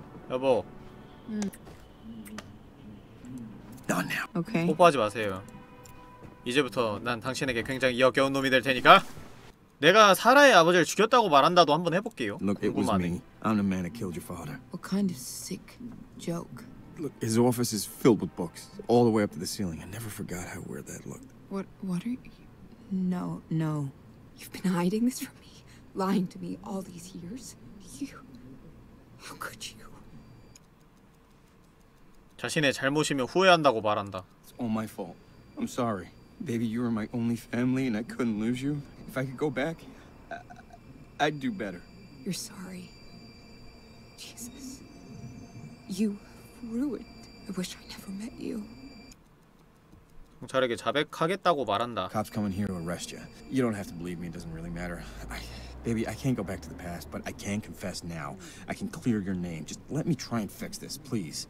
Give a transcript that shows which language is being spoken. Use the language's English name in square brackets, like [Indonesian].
[Korean] 여보. [English] Not now. Okay. [Korean] 뽀뽀하지 마세요. 이제부터 난 당신에게 굉장히 역겨운 놈이 될 테니까. 내가 사라의 아버지를 죽였다고 말한다도 한번 해볼게요. [English] Look, it was me. I'm the man that killed your father. What kind of sick joke? Look, his office is filled with books, all the way up to the ceiling. I never forgot how weird that looked. What are you? No, no. You've been hiding this from me, lying to me all these years. You, how could you? [Korean] 자신의 잘못이며 후회한다고 말한다. [English] It's all my fault. I'm sorry. Baby, you were my only family, and I couldn't lose you. If I could go back, I'd do better. You're sorry. Jesus. You ruined. I wish I never met you. [Korean] 경찰에게 자백하겠다고 말한다. [English] Cops coming here to arrest you. You don't have to believe me. It doesn't really matter. Baby, I can't go back to the past, but I can confess now. I can clear your name. Just let me try and fix this, please.